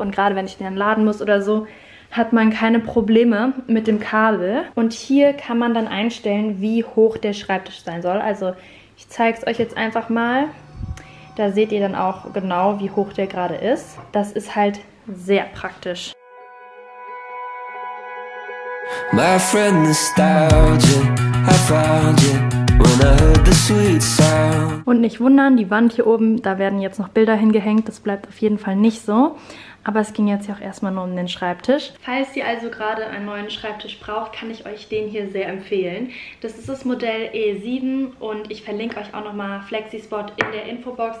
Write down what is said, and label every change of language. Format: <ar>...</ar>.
<de>Und gerade wenn ich den dann laden muss oder so, hat man keine Probleme mit dem Kabel. Und hier kann man dann einstellen, wie hoch der Schreibtisch sein soll. Also ich zeige es euch jetzt einfach mal. Da seht ihr dann auch genau, wie hoch der gerade ist. Das ist halt sehr praktisch.</de> <en>My friend nostalgia, I found you when I heard the sweet sound.</en> <de>Und nicht wundern, die Wand hier oben, da werden jetzt noch Bilder hingehängt, das bleibt auf jeden Fall nicht so. Aber es ging jetzt ja auch erstmal nur um den Schreibtisch. Falls ihr also gerade einen neuen Schreibtisch braucht, kann ich euch den hier sehr empfehlen. Das ist das Modell E7 und ich verlinke euch auch nochmal FlexiSpot in der Infobox.</de>